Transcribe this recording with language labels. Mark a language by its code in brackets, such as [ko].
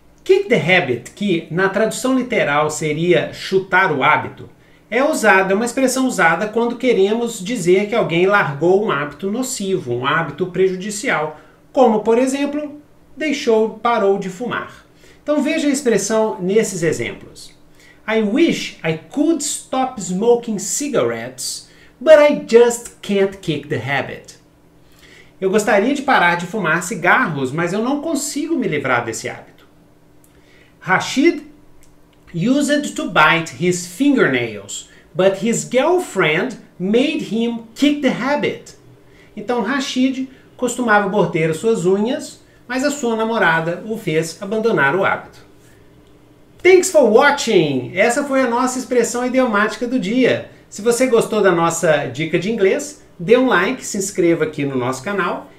[pt] Kick the habit, que na tradução literal seria chutar o hábito, é uma expressão usada quando queremos dizer que alguém largou um hábito nocivo, um hábito prejudicial, como, por exemplo, parou de fumar. Então veja a expressão nesses exemplos. [en] I wish I could stop smoking cigarettes, but I just can't kick the habit. [pt] Eu gostaria de parar de fumar cigarros, mas eu não consigo me livrar desse hábito. [en] Rashid used to bite his fingernails, but his girlfriend made him kick the habit. [pt] Então Rashid costumava morder suas unhas, mas a sua namorada o fez abandonar o hábito. Thanks for watching! Essa foi a nossa expressão idiomática do dia. Se você gostou da nossa dica de inglês, dê um like, se inscreva aqui no nosso canal.